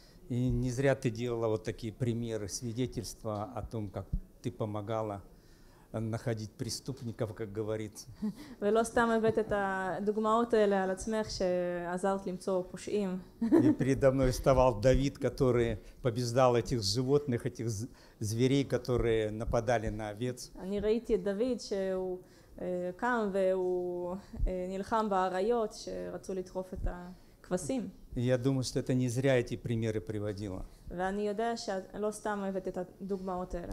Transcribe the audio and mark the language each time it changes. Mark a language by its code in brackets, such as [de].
[ru] И не зря ты делала вот такие примеры, свидетельства о том, как ты помогала находить преступников, как говорится. [he] ולא סתם הבאת את הדוגמאות האלה על עצמך שעזרת למצוא פושעים. [ru] И передо мной вставал Давид, который побеждал этих животных, этих зверей, которые нападали на овец. [he] אני ראיתי את דוד שהוא קם והוא נלחם באריות שרצו לדחוף את הכבשים. [ru] Я думаю, что это не зря эти примеры приводила. [he] ואני יודע שלא סתם הבאת את הדוגמאות האלה.